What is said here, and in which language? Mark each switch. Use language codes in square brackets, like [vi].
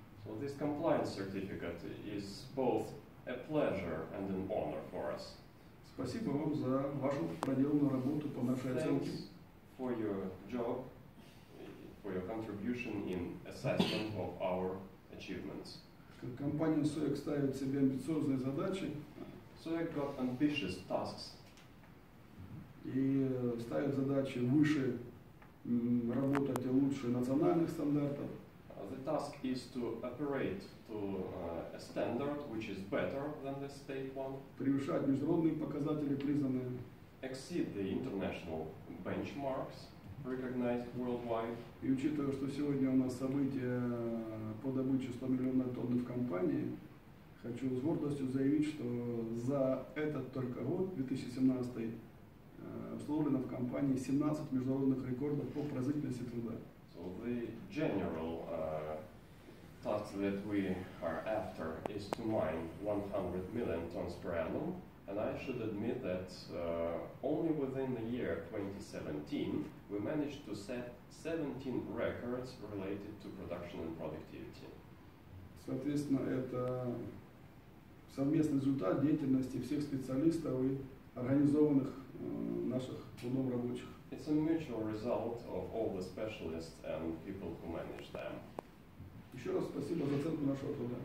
[en] So this compliance certificate is both a pleasure and an honor for us. [ru] Спасибо вам за вашу проделанную работу по нашей оценке. [en] Thanks for your job. For your contribution in assessment of our achievements. [ru] Компания SOEC ставит себе амбициозные задачи. [en] SOEC got ambitious tasks. [ru] И ставит задачи выше работать лучше национальных стандартов. [en] The task is to operate to a standard which is better than the state one. [ru] Превышать международные показатели признанные. [en] Exceed the international benchmarks. Recognized worldwide. [ru] И учитывая, что сегодня у нас события по добыче 100 миллионов тонн в компании, хочу с гордостью заявить, что за этот только год, 2017, установлено в компании 17 международных рекордов по производительности труда. [en] So the general task that we are after is to mine 100 million tons per annum. And I should admit that only within the year 2017 we managed to set 17 records related to production and productivity. [ru] Соответственно, это совместный результат деятельности всех специалистов и организованных наших трудов рабочих. [en] It's a mutual result of all the specialists and people who manage them. [ru] Еще раз спасибо за оценку нашего труда.